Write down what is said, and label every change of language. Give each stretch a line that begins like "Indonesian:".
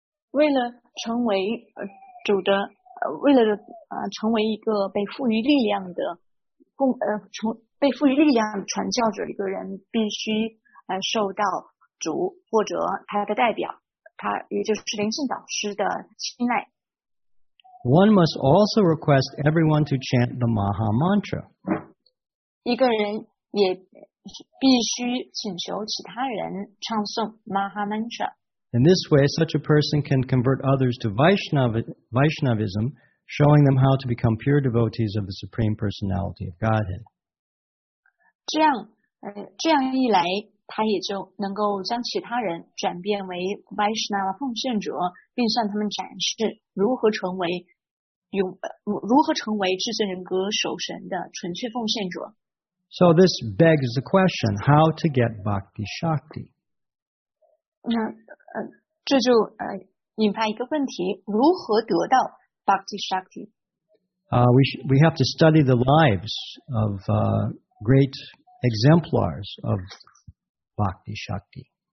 Chinese: 为了成为主的，为了成为一个被赋予力量的供从。被赋予力量传教者一个人必须受到主或者他的代表他也就是灵性导师的青睐。
English: One must also request everyone to chant the Maha Mantra.
Chinese: 一个人也必须请求其他人唱诵 Maha Mantra.
English: In this way, such a person can convert others to Vaishnavism, showing them how to become pure devotees of the Supreme Personality of Godhead.
Chinese: 这样一来他也就能够将其他人转变为 Vaishnava 奉献者并向他们展示如何成为至尊人格守神的纯粹奉献者。
English: So this begs the question, how to get Bhakti Shakti?
Chinese: 这就引发一个问题如何得到 Bhakti Shakti?
English: We have to study the lives of,great exemplars of Bhakti Shakti.